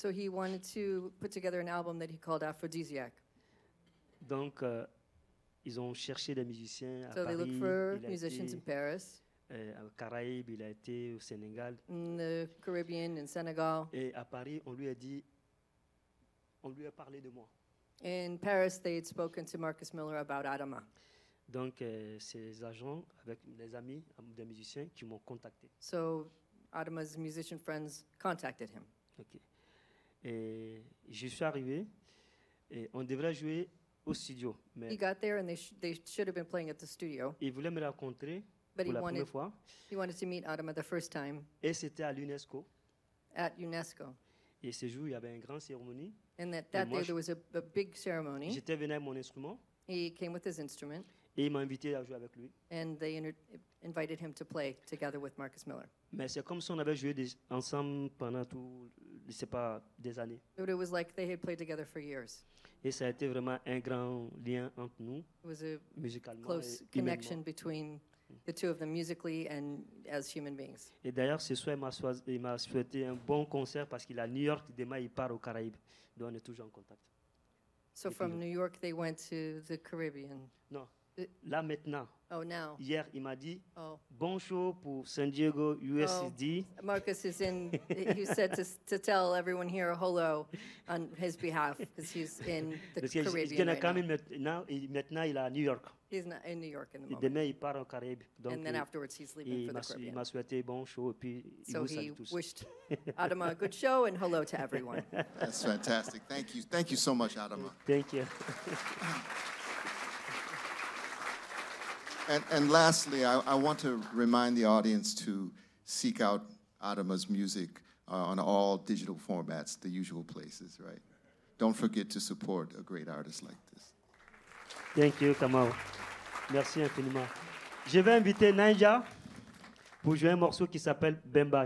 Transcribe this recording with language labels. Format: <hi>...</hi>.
<en>So he wanted to put together an album that he called Aphrodisiac.</en> <fr>Donc ils ont cherché des musiciens à</fr> <en>so</en> <fr>Paris.</fr> <en>So they looked for musicians in Paris.</en> <fr>Caraïbes, il a été au Sénégal.</fr> <en>In the Caribbean and Senegal.</en> <fr>Et à Paris, on lui a dit, on lui a parlé de moi.</fr> <en>In Paris, they had spoken to Marcus Miller about Adama.</en> <fr>Donc, ses agents avec les amis des musiciens qui m'ont contacté.</fr> <en>So, Adama's musician friends contacted him. Ok.</en> <fr>Et je suis arrivé et on devrait jouer au studio. Mais</fr> <en>he got there and they should have been playing at the studio.</en> <fr>Il voulait me rencontrer pour la première fois.</fr> <en>He wanted to meet Adama the first time.</en> <fr>Et c'était à l'UNESCO.</fr> <en>At UNESCO.</en> <fr>Et ce jour, il y avait une grande cérémonie.</fr> <en>And that day there was a big ceremony.</en> <fr>J'étais venu avec mon instrument.</fr> <en>He came with his instrument.</en> <fr>Et il m'a invité à jouer avec lui.</fr> <en>And they invited him to play together with Marcus Miller.</en> <fr>Mais c'est comme si on avait joué ensemble pendant tout, je sais pas, des années.</fr> <en>But it was like they had played together for years.</en> <fr>Et ça a été vraiment un grand lien entre nous, musicalement.</fr> <en>Close connection between the two of them musically and as human beings.</en> <fr>Et d'ailleurs, ce soir, il m'a souhaité un bon concert parce qu'il est à New York. Demain, il part aux Caraïbes. Donc, on est toujours en contact.</fr> <en>So from New York, they went to the Caribbean.</en> <fr>Non. Là maintenant.</fr> <en>Oh, now.</en> <fr>Hier, il m'a dit bon show pour San Diego USD.</fr> <en>Oh, Marcus is in. He said to tell everyone here hello on his behalf because he's in the Caribbean. He's gonna come right now. In</en> <fr>maintenant, il est à New York.</fr> <en>He's not in New York in the moment.</en> <fr>Demain, il part aux Caraïbes.</fr> <en>And then afterwards, he's leaving for the Caribbean.</en> <fr>Il m'a souhaité bon show et puis</fr> <en>so</en> <fr>il vous salue tous.</fr> <en>So he wished Adama a good show and hello to everyone. That's fantastic. Thank you. Thank you so much, Adama. Thank you. And lastly, I want to remind the audience to seek out Adama's music on all digital formats, the usual places, right? Don't forget to support a great artist like this. Thank you, Kamau.</en> <fr>Merci infiniment. Je vais inviter Ninja pour jouer un morceau qui s'appelle Bemba.</fr>